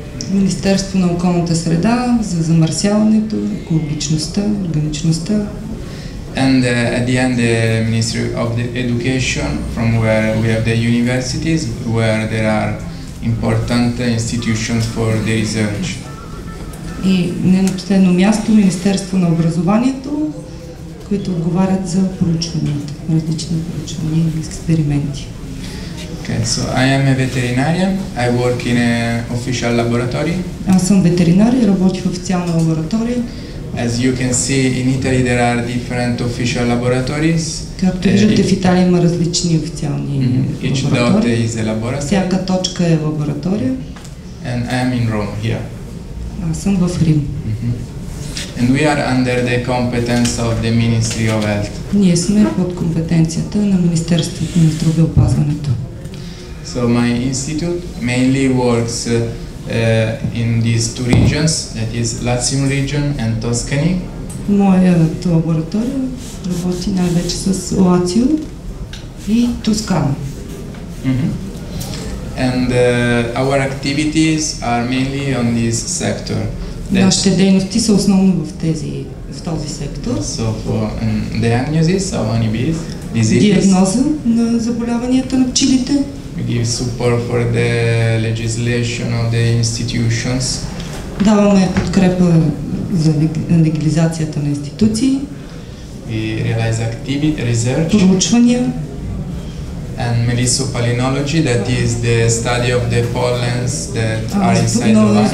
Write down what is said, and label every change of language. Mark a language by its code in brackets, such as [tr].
[bg] Министерство на околната среда за замърсяването, екологичността, органичността. [en] And at the end, the Ministry of the Education, from where we have the universities, where there are important institutions for the research. [bg] И не на последно място, Министерство на образованието, които отговарят за проучванията, различни проучвания и експерименти. [en] Okay, so I am a veterinarian. I work in an official laboratory. [bg] Аз съм ветеринар и работя в официална лаборатория. [en] As you can see, in Italy there are different official laboratories. [bg] Както виждате, в Италия има различни официални лаборатории. [en] Each dot is a laboratory. [bg] Всяка точка е лаборатория. [en] And I am in Rome here. [bg] Аз съм в Рим. [en] And we are under the competence of the Ministry of Health. [bg] Ние сме под компетенцията на Министерството на здравеопазването. [en] So my institute mainly works in these two regions, that is Latium region and Tuscany. [bg] Моят лаборатория работи най-вече с Лацио и Тоскана. [en] And our activities are mainly on this sector. [bg] Нашите дейности са основно в тези, в този сектор. [en] So for diagnosis of honeybees, diseases. [bg] Диагноза на заболяванията на пчелите. [en] We give support for the legislation of the institutions. [bg] Даваме подкрепа за легализацията на институции. [en] We realize activity, research. [bg] Проучвания. [en] And melissopollenology, that is the study of the pollens that are inside the honey.